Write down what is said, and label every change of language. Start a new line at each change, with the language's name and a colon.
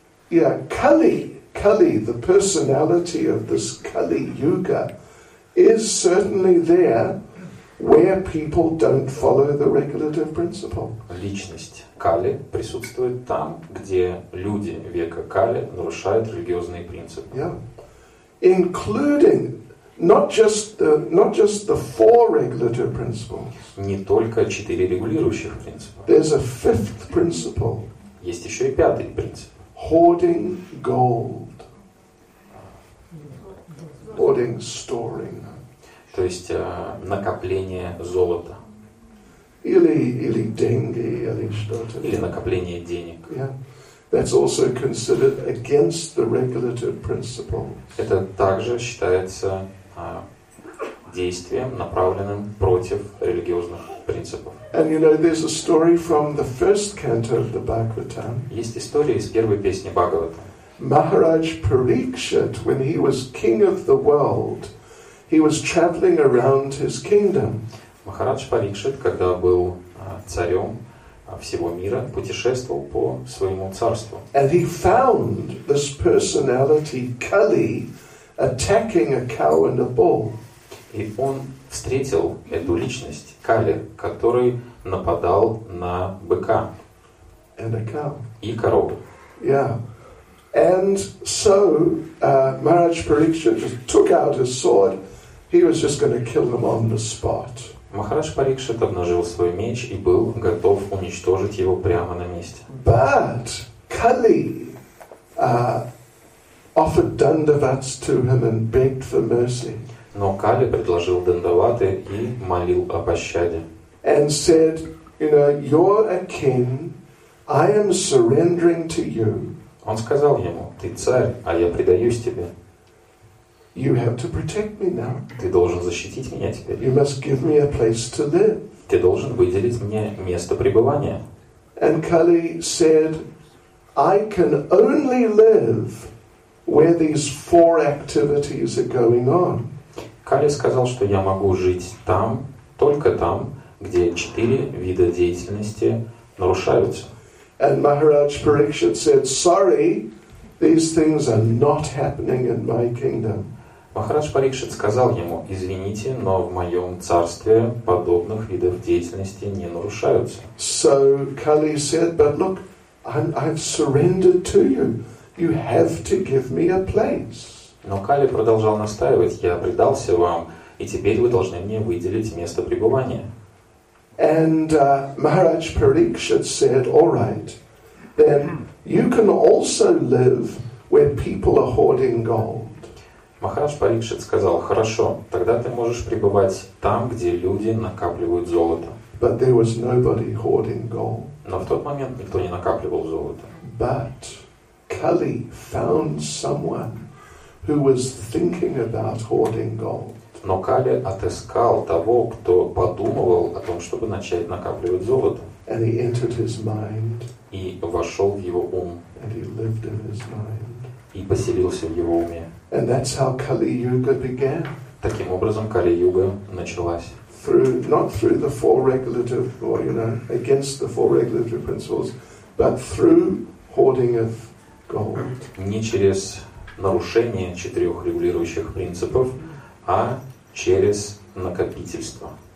English: Yeah, Kali, the personality of this Kali Yuga is certainly there where people don't follow the regulative principle.
Russian: Личность Кали присутствует там, где люди века Кали нарушают религиозные принципы.
English: Yeah. Including not just the four regulative principles.
Russian: Не только четыре регулирующих принципа.
English: There's a fifth principle.
Russian: Есть еще и пятый принцип.
English: Hoarding gold. Hoarding, storing.
Russian: То есть накопление золота. Или деньги, или что-то. Или накопление денег.
English: Yeah. That's also considered against the regulative principles.
Russian: Это также считается действием, направленным против религиозных принципов.
English: And you know, there's a story from the first canto of the Bhagavatam.
Russian: Есть история из первой песни Бхагавата.
English: Maharaj Parikshit, when he was king of the world, he was traveling around his kingdom.
Russian: Махарадж Парикшит, когда был царем всего мира, путешествовал по своему царству.
English: And he found this personality Kali attacking a cow and a bull.
Russian: И он встретил эту личность Кали, который нападал на быка.
English: And a cow.
Russian: И корову.
English: Yeah. And so Maharaj Parikshit just took out his sword. He was just going to kill them on the spot.
Russian: Махарадж Парикшит обнажил свой меч и был готов уничтожить его прямо на месте.
English: But Kali offered dandavats to him and begged for mercy.
Russian: Но Кали предложил дандаваты и молил о пощаде.
English: And said, you know, you're a king, I am surrendering to you.
Russian: Он сказал ему: ты царь, а я предаюсь тебе.
English: You have to protect me now.
Russian: Ты должен защитить меня теперь.
English: You must give me a place to live.
Russian: Ты должен выделить мне место пребывания.
English: And Kali said, I can only live where these four activities are going on.
Russian: Кали сказал, что я могу жить там, только там, где четыре вида деятельности нарушаются.
English: And Maharaj Parikshit said, sorry, these things are not happening in my kingdom.
Russian: Махарадж Парикшит сказал ему: извините, но в моем царстве подобных видов деятельности не нарушаются.
English: So Kali said, but look, I've surrendered to you. You have to give me a place.
Russian: Но Кали продолжал настаивать: я предался вам, и теперь вы должны мне выделить место пребывания.
English: And Maharaj Parikshit said, "All right, then you can also live where people are hoarding gold."
Russian: Махарадж Парикшит сказал: "Хорошо, тогда ты можешь пребывать там, где люди накапливают золото."
English: But there was nobody hoarding gold.
Russian: Но в тот момент никто не накапливал золото.
English: But Kali found someone who was thinking about hoarding gold.
Russian: Но Кали отыскал того, кто подумывал о том, чтобы начать накапливать золото.
English: And he entered his mind.
Russian: И вошел в его ум.
English: And he lived in his mind.
Russian: И поселился в его уме.
English: And that's how Kali Yuga began.
Russian: Таким образом Кали Юга началась.
English: Through, not through the four regulative, or you know, against the four regulative principles, but through hoarding of gold.
Russian: Не через нарушение четырех регулирующих принципов, а через накопительство.